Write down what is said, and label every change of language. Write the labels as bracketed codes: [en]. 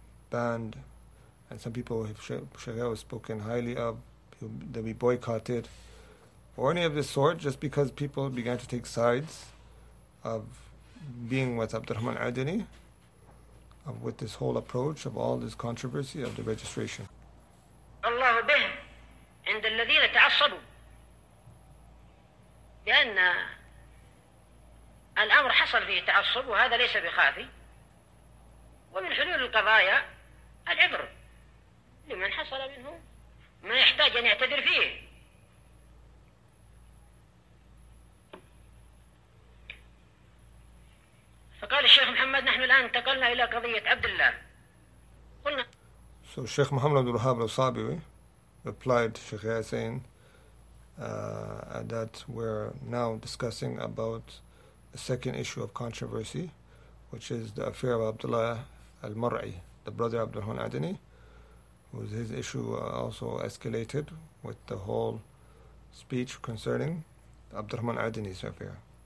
[en] banned, and some people have spoken highly of, they'll be boycotted, or any of this sort, just because people began to take sides of being with Abdurrahman Adini, of with this whole approach of all this controversy of the registration. [ar] Allah bih, عند الذين تعصبوا بأن الأمر حصل فيه تعصب وهذا ليس بخافي ومن حلول القضايا العبر لمن حصل منه ما يحتاج أن يعتذر فيه. فقال الشيخ محمد نحن الآن انتقلنا إلى قضية عبد الله. قلنا [en] So Sheikh Muhammad Abdul Wahhab al-Sabiwi replied to Sheikh Yasin that we're now discussing about the second issue of controversy, which is the affair of Abdullah al-Mar'i, the brother of Abdurrahman Adini, whose his issue also escalated with the whole speech concerning Abdurrahman Adini's affair.